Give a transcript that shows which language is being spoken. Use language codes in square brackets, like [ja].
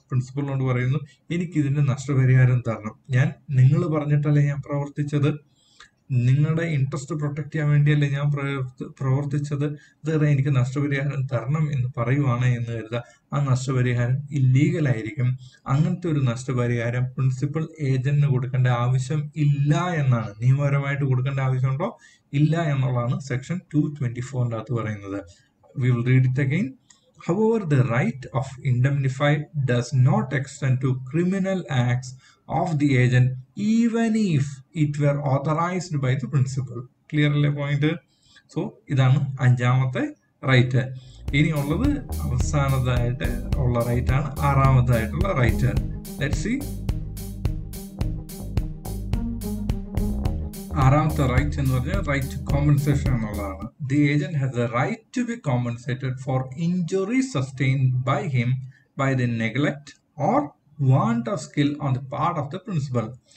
[ml] പ്രിൻസിപ്പളിനോട് പറയുന്നു, എനിക്കിതിൻ്റെ നഷ്ടപരിഹാരം തരണം, ഞാൻ നിങ്ങൾ പറഞ്ഞിട്ടല്ലേ ഞാൻ പ്രവർത്തിച്ചത്, നിങ്ങളുടെ ഇൻട്രസ്റ്റ് പ്രൊട്ടക്ട് ചെയ്യാൻ വേണ്ടിയല്ലേ ഞാൻ പ്രവർത്തിച്ചത്, ഇതുവരെ എനിക്ക് നഷ്ടപരിഹാരം തരണം എന്ന് പറയുവാണ് എന്ന് കരുതുക. ആ നഷ്ടപരിഹാരം ഇല്ലീഗലായിരിക്കും. അങ്ങനത്തെ ഒരു നഷ്ടപരിഹാരം പ്രിൻസിപ്പൽ ഏജന്റിന് കൊടുക്കേണ്ട ആവശ്യം ഇല്ല എന്നാണ്, നിയമപരമായിട്ട് കൊടുക്കേണ്ട ആവശ്യമുണ്ടോ ഇല്ല എന്നുള്ളതാണ് സെക്ഷൻ 224 അകത്ത് പറയുന്നത്. [en] We will read it again. However, the right of indemnify does not extend to criminal acts of the agent, even if it were authorized by the principal. Clearly point? [ml] So, ഇതാണ് അഞ്ചാമത്തെ right. ഇനി ഉള്ളത് അവസാനത്തായിട്ട് ഉള്ള right ആണ് ആറാമതായിട്ടുള്ള right. [en] Let's see. [ml] ആറാമത്തെ right എന്ന് പറഞ്ഞാൽ right to compensation എന്നുള്ളതാണ്. [en] The agent has a right to be compensated for injury sustained by him by the neglect or want of skill on the part of the principal.